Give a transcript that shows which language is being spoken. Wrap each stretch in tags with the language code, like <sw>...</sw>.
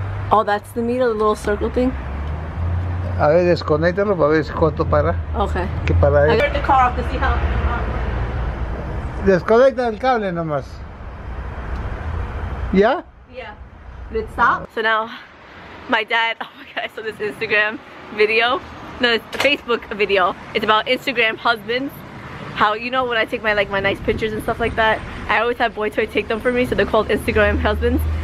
<en>Oh, that's the meter, the little circle thing?</en> <es>A ver, desconectalo para ver cuánto para.</es> <en>Okay.</en> <es>¿Qué para?</es> <en>I heard the car off to see how.</en> <es>Desconecta el cable nomás.</es> <en>Yeah? Yeah. Did it stop? So now, my dad, oh my god, I saw this Instagram video. No, it's a Facebook video. It's about Instagram husbands. How, you know, when I take my like my nice pictures and stuff like that, I always have Boytoy take them for me, so they're called Instagram husbands.</en>